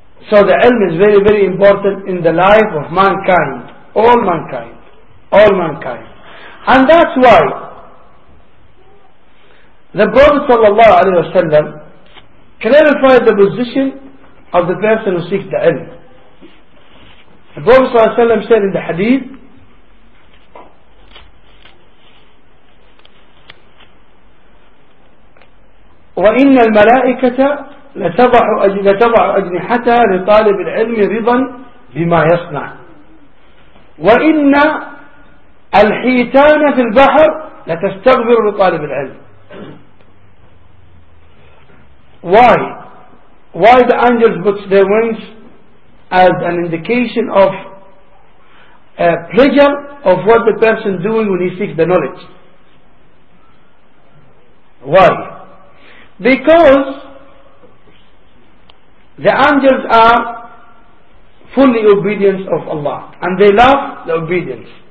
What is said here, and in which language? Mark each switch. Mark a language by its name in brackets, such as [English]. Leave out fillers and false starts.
[English] So the ilm is very, very important in the life of mankind. All mankind. All mankind. And that's why the Prophet sallallahu alayhi wa sallam clarified the position of the person who seeks the ilm. The Prophet sallallahu alayhi wa sallam said in the hadith, [Arabic] وَإِنَّ الْمَلَائِكَةَ لَتَضَعُ أَجْنِحَتَهَا لِطَالِبِ الْعِلْمِ رِضًا بِمَا يَصْنَعُ وَإِنَّ الْحِيتَانَ فِي الْبَحْرِ لَتَسْتَغْفِرُ لِطَالِبِ الْعِلْمِ. [English] Why? Why the angels put their wings as an indication of a pleasure of what the person doing when he seeks the knowledge? Why? Because the angels are fully obedient of Allah and they love the obedience.